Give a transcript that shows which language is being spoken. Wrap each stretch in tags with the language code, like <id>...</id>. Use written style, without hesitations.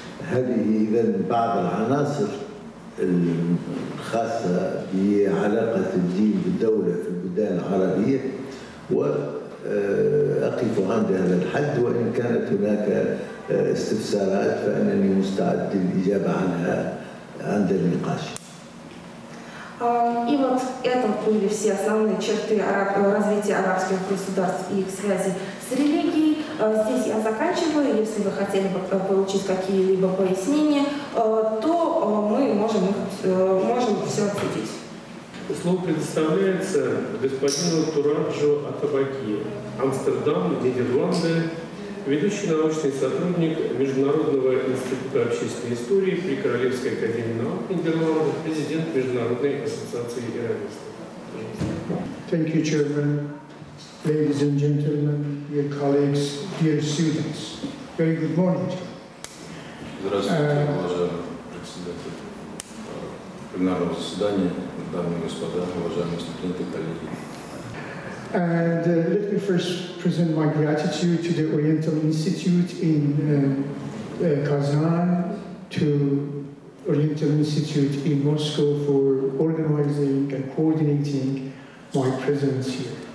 <ar>هذه إذن بعض العناصر الخاصة بعلاقة الدين بالدولة في البلدان العربية، وأقف عند هذا الحد، وإن كانت هناك استفسارات فأنني مستعد للإجابة عنها عند النقاش.</ar> <ru>И вот это были все основные черты развития арабских государств и их связи с религией. Здесь я заканчиваю. Если вы хотели бы получить какие-либо пояснения, то мы можем все ответить. Слово предоставляется господину Тураджу Атабаки, Амстердам, Нидерланды, ведущий научный сотрудник Международного института общественной истории при Королевской академии наук Нидерландов, президент Международной ассоциации иранистов.</ru> <en>Thank you, Chairman. Ladies and gentlemen, dear colleagues, dear students. Very good morning.</en> <ru>Здравствуйте, уважаемый председатель пленарного заседания, дамы и господа, уважаемые студенты, коллеги.</ru> <en>And let me first present my gratitude to the Oriental Institute in Kazan, to Oriental Institute in Moscow for organizing and coordinating my presence here.</en>